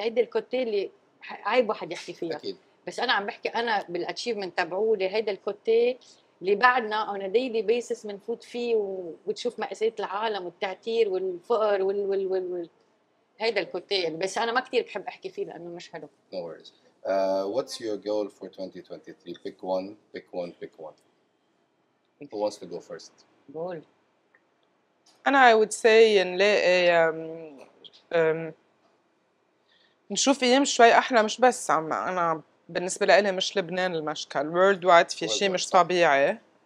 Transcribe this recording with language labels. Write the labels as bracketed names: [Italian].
[Arabic] هيدي الكوتيل اللي عيب واحد يحكي فيها أكيد. بس انا عم بحكي انا بالاتشيفمنت تبعولي هيدا الكوتيل اللي بعدنا اون ديلي بيسس بنفوت فيه وبتشوف مأساة العالم والتعتير والفقر وال وال وال وال هيدا الكوتيل، بس انا ما كثير بحب احكي فيه لانه مش حلو. [English] No worries. What's your goal for 2023؟ Pick one, pick one, pick one. Who wants to go first? Goal. [Arabic] أنا [English] I would say [Arabic] نلاقي نشوف أيام شوي أحلى، مش بس عم أنا بالنسبة لإلي مش لبنان المشكل، [English] world wide [Arabic] في شيء مش طبيعي.